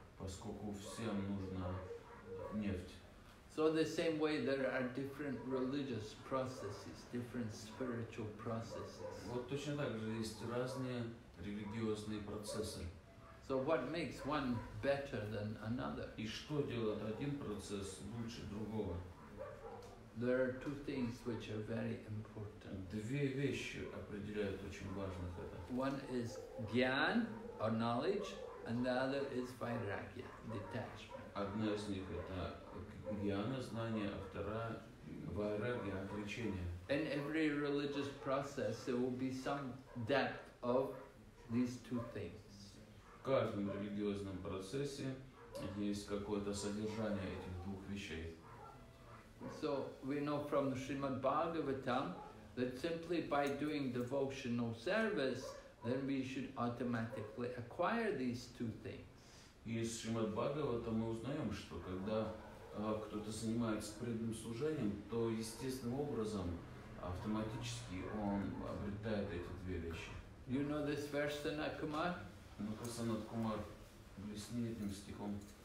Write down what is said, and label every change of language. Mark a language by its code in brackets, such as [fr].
[ru] Поскольку всем нужна нефть. [en] So the same way there are different religious processes, different spiritual processes. [ru] Вот точно так же есть разные религиозные процессы. [en] So what makes one better than another? [ru] И что делает один процесс лучше другого? [en] There are two things which are very important. [ru] Две вещи определяют очень важных это. [en] One is gyan, or knowledge. And the other is vairagya, detachment. [ru] Одна из них это гьяна, знание, а вторая вайрагья, отречение. [en] In every religious process there will be some depth of these two things. [ru] В каждом религиозном процессе есть какое-то содержание этих двух вещей. [en] So we know from Srimad Bhagavatam that simply by doing devotional service then we should automatically acquire these two things. [ru] Из Шримад Бхагавата мы узнаем, что когда кто-то занимается преданным служением, то естественным образом, автоматически он обретает эти две вещи. [en] You know this verse, Sanat Kumar? [ru] Ну-ка, Sanat Kumar, блесни этим стихом.